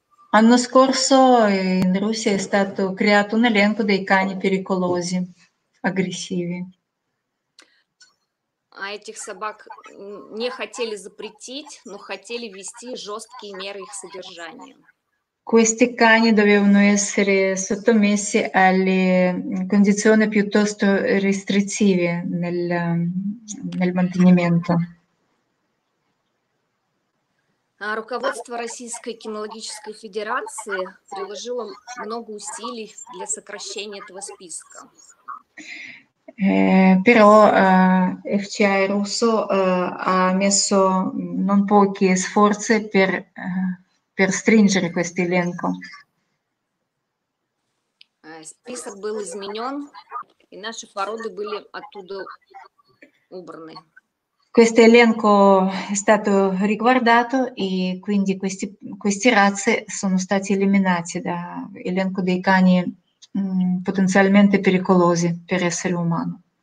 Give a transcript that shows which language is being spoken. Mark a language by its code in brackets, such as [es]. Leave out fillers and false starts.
[it] L'anno scorso in Russia è stato creato un elenco dei cani pericolosi, aggressivi. [ru] A этих собак не хотели запретить, но хотели ввести жесткие меры их содержания. [it] Questi cani dovevano essere sottomessi alle condizioni piuttosto restrittive nel mantenimento. [ru] Руководство Российской кинологической федерации приложило много усилий для сокращения этого списка. [it] Però FCI Russo ha messo non pochi sforzi per stringere questo elenco. [ru] Список был изменен, и наши породы были оттуда убраны. [it] Questo elenco è stato riguardato e quindi queste razze sono state eliminate dall'elenco dei cani potenzialmente pericolosi per essere umano.